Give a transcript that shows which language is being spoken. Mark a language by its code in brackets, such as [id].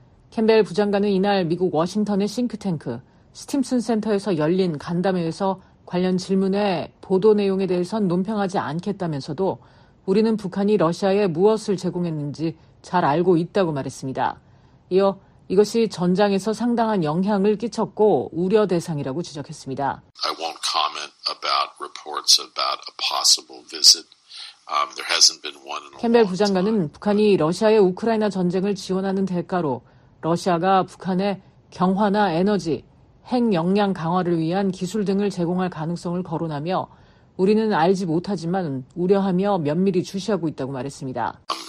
[ko] 캠벨 부장관은 이날 미국 워싱턴의 싱크탱크 스팀슨 센터에서 열린 간담회에서 관련 질문에 보도 내용에 대해선 논평하지 않겠다면서도 우리는 북한이 러시아에 무엇을 제공했는지 잘 알고 있다고 말했습니다. 이어 이것이 전장에서 상당한 영향을 끼쳤고 우려 대상이라고 지적했습니다. [en] I won't comment about reports about a possible visit. There hasn't been one in a long time. [ko] 캠벨 부장관은 북한이 러시아의 우크라이나 전쟁을 지원하는 대가로 러시아가 북한에 경화나 에너지, 핵 역량 강화를 위한 기술 등을 제공할 가능성을 거론하며 우리는 알지 못하지만 우려하며 면밀히 주시하고 있다고 말했습니다.